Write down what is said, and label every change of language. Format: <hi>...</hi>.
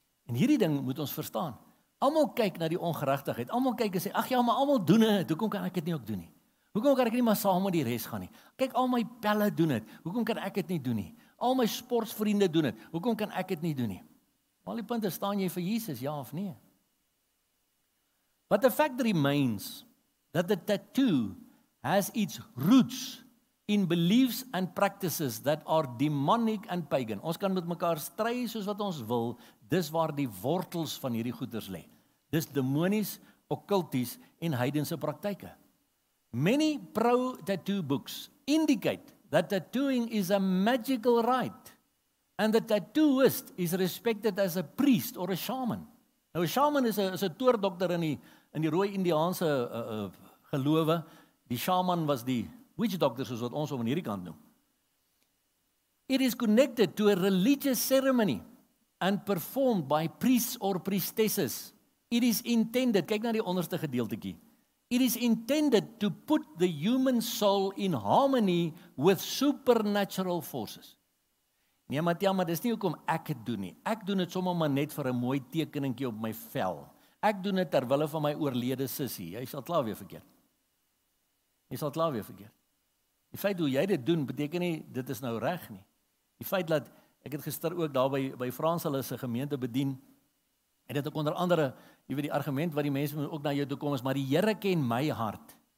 <af>En hierdie ding moet ons verstaan. Almal kyk na die ongeregtigheid, almal kyk en sê, ag ja, maar almal doen dit, hoekom kan ek dit nie ook doen nie? Hoekom kan ek nie maar saam met die res gaan nie? Kyk, al my pelle doen dit, hoekom kan ek dit nie doen nie? Al my sportsvriende doen dit, hoekom kan ek dit nie doen nie? Maar die punt is, staan jy vir Jesus, ja of nee?</af> <en>But the fact remains that the tattoo has its roots in beliefs and practices that are demonic and pagan.</en> <af>Ons kan met mekaar stry soos wat ons wil, dis waar die wortels van hierdie goeders lê. Dis demonies, okkulties en heidense praktyke.</af> <en>Many pro tattoo books indicate that tattooing is a magical rite and the tattooist is respected as a priest or a shaman.</en> <af>Nou,</af> <en>a shaman is a</en> <af>toordokter in die rooi Indiaanse gelowe. Die shaman was die witch doctor, soos wat ons om aan hierdie kant noem.</af> <en>It is connected to a religious ceremony and performed by priests or priestesses. It is intended,</en> <af>kyk na die onderste gedeeltekie.</af> <en>It is intended to put the human soul in harmony with supernatural forces.</en> <af>Nee, maar ja, maar dis nie hoekom ek het doen nie. Ek doen dit sommer maar net vir 'n mooi tekeningkie op my vel. Ek doen dit ter wille van my oorlede sussie. Jy sal klaar weer verkeerd. Jy sal klaar weer verkeerd. Die feit hoe jy dit doen, beteken nie, dit is nou reg nie. Die feit dat, ek het gister ook daar by Frans hulle se gemeente bedien, en dit ook onder andere, jy weet die argument wat die mense ook na jou toe kom, is maar die Here ken my hart.</af>